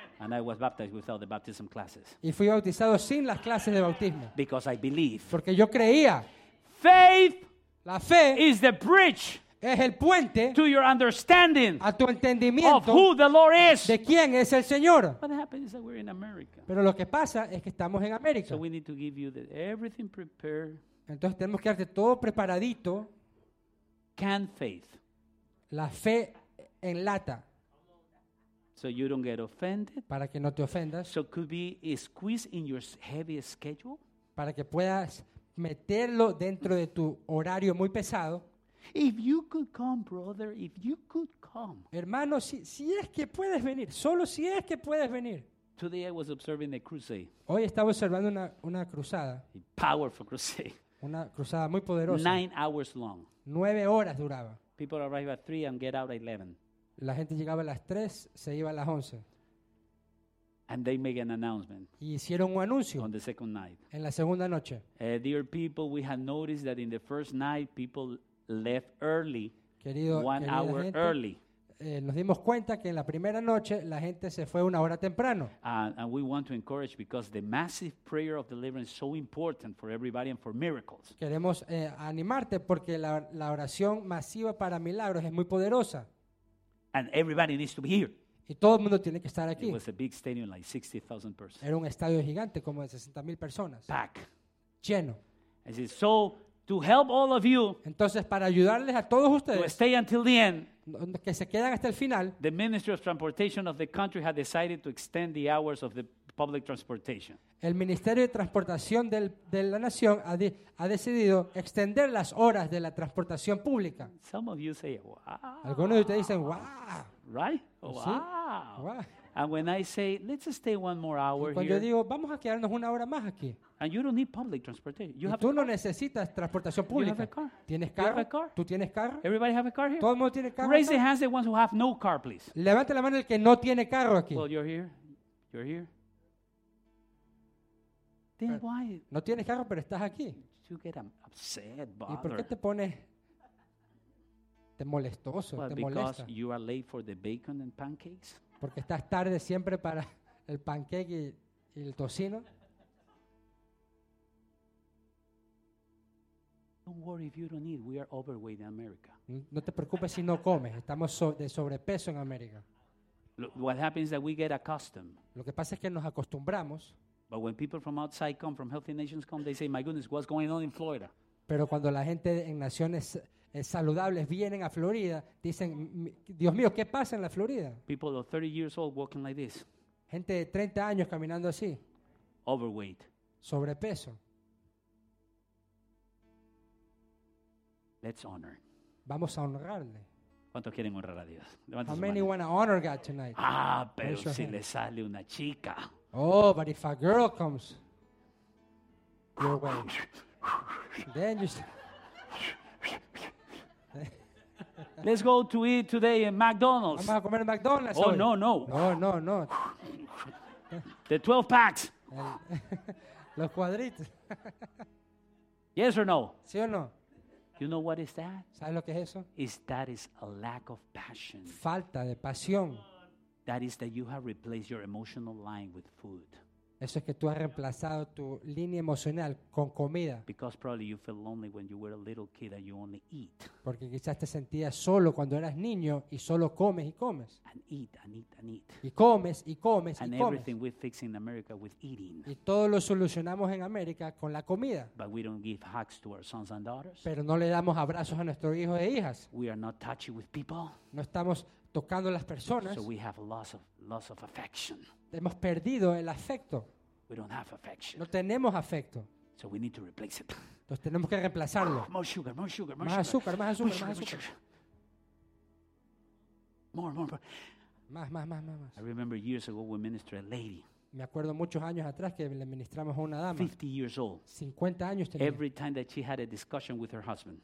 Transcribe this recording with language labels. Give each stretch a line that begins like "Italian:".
English: And I was baptized without the baptism classes.
Spanish: Y fui bautizado sin las clases de bautismo.
English: Because I believe.
Spanish: Porque yo creía.
English: Faith.
Spanish: La fe.
English: Is the bridge.
Spanish: Es el puente.
English: To your understanding.
Spanish: A tu entendimiento.
English: Of who the Lord is.
Spanish: De quién es el Señor.
English: What happens is that we're in America.
Spanish: Pero lo que pasa es que estamos en América.
English: So we need to give you everything prepared.
Spanish: Entonces tenemos que darte todo preparadito.
English: Can faith.
Spanish: La fe en lata.
English: So you don't get offended.
Spanish: Para que no te ofendas.
English: So could be squeezed in your heavy schedule.
Spanish: Para que puedas meterlo dentro de tu horario muy pesado.
English: If you could come, brother, if you could come.
Spanish: Hermano, si es que puedes venir, solo si es que puedes venir.
English: Today I was observing a crusade.
Spanish: Hoy estaba observando una cruzada.
English: A powerful crusade.
Spanish: Una cruzada muy poderosa.
English: 9 hours long.
Spanish: 9 horas duraba.
English: People arrive at 3 and get out at 11.
Spanish: La gente llegaba a las 3, se iba a las 11.
English: And they make an announcement.
Spanish: Y hicieron un anuncio.
English: On the second night.
Spanish: En la segunda noche.
English: Dear people, we have noticed that in the first night people left early,
Spanish: querido,
English: one hour
Spanish: gente,
English: early.
Spanish: Nos dimos cuenta que en la primera noche la gente se fue una hora temprano.
English: And we want to encourage because the massive prayer of deliverance is so important for everybody and for miracles.
Spanish: Queremos animarte porque la oración masiva para milagros es muy poderosa.
English: And everybody needs to be here.
Spanish: Y todo el mundo tiene que estar aquí.
English: It was a big stadium, like 60,000 persons.
Spanish: Era un estadio gigante, como de 60,000 personas.
English: Back.
Spanish: Lleno. Es decir,
English: so. To help all of you.
Spanish: Entonces para ayudarles a todos ustedes.
English: To stay until the end.
Spanish: Que se quedan hasta el final.
English: The Ministry of Transportation of the country had decided to extend the hours of the public transportation.
Spanish: El Ministerio de Transportación de la Nación ha decidido extender las horas de la transportación pública.
English: Some of you say, wow.
Spanish: Algunos de ustedes dicen, wow.
English: Right? Wow.
Spanish: ¿Sí?
English: Wow. And when I say, let's stay one more hour here.
Spanish: Cuando yo digo, vamos a quedarnos una hora más aquí.
English: And you don't need public transportation. You
Spanish: y
English: have
Spanish: tú no necesitas transportación pública.
English: You have a car.
Spanish: ¿Tienes carro?
English: You have a car.
Spanish: ¿Tú tienes carro?
English: Everybody have a car here?
Spanish: ¿Todo el mundo tiene carro?
English: Raise your hands the ones who have no car, please.
Spanish: Levante la mano el que no tiene carro aquí.
English: Well, you're here. You're here. Then why?
Spanish: No tienes carro, pero estás aquí.
English: You get upset, bothered.
Spanish: ¿Y por qué te pones te molestoso,
English: well,
Spanish: te
English: because
Spanish: molesta?
English: Because you are late for the bacon and pancakes.
Spanish: Porque estás tarde siempre para el pancake y el tocino.
English: Don't worry if you don't eat. We are overweight in America.
Spanish: No te preocupes si no comes. Estamos de sobrepeso en América.
English: What happens is that we get accustomed.
Spanish: Lo que pasa es que nos acostumbramos.
English: But when people from outside come, from healthy nations come, they say, "My goodness, what's going on in Florida?"
Spanish: Pero cuando la gente en naciones saludables vienen a Florida, dicen, "Dios mío, ¿qué pasa en la Florida?"
English: People of 30 years old walking like this.
Spanish: Gente de 30 años caminando así.
English: Overweight.
Spanish: Sobrepeso.
English: Let's honor.
Spanish: Vamos a honrarle. ¿Cuántos quieren honrar a Dios? Levanta
English: How many want to honor God tonight?
Spanish: Ah, pero si le sale una chica.
English: Oh, but if a girl comes your way, then you say, let's go to eat today at McDonald's.
Spanish: Vamos a comer en McDonald's.
English: Oh, no, no.
Spanish: No, no, no.
English: The 12 packs.
Spanish: Los cuadritos.
English: Yes or no?
Spanish: Sí o no?
English: You know what is that?
Spanish: ¿Sabes lo que es eso?
English: Is that is a lack of passion.
Spanish: Falta de pasión.
English: That is that you have replaced your emotional line with food.
Spanish: Eso es que tú has reemplazado tu línea emocional con comida.
English: Because probably you feel lonely when you were a little kid and you only eat.
Spanish: Porque quizás te sentías solo cuando eras niño y solo comes y comes.
English: And eat and eat and eat.
Spanish: Y comes y comes
English: and
Spanish: y comes.
English: And everything we fix in America with eating.
Spanish: Y todo lo solucionamos en América con la comida.
English: But we don't give hugs to our sons and daughters.
Spanish: Pero no le damos abrazos a nuestros hijos e hijas.
English: We are not touchy with people.
Spanish: No estamos tocando las personas.
English: So we have loss of affection.
Spanish: Hemos perdido el afecto.
English: We don't have affection.
Spanish: No tenemos afecto.
English: So we need to replace it.
Spanish: Entonces tenemos que reemplazarlo.
English: More sugar, more sugar, more
Spanish: más
English: sugar.
Spanish: Azúcar, más azúcar,
English: sugar,
Spanish: más azúcar. Más.
English: I remember years ago we ministered a lady.
Spanish: Me acuerdo muchos años atrás que le ministramos a una dama.
English: 50 years old.
Spanish: 50 años tenía.
English: Every time that she had a discussion with her husband.